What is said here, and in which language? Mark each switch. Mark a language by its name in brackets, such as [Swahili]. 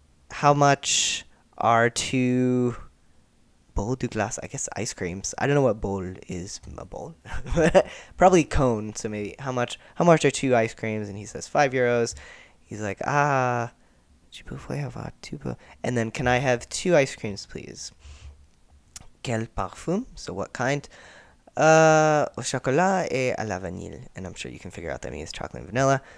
[English] How much are 2 [French] bol de glace, [English] I guess ice creams. I don't know what bol is, a bol. Probably cone, so maybe. How much are 2 ice creams? And he says, 5 euros. He's like, [French] ah, je peux faire avoir 2 bol. [English] And then, can I have 2 ice creams, please? [French] Quel parfum? [English] So what kind? [French] Au chocolat et à la vanille. [English] And I'm sure you can figure out that means chocolate and vanilla.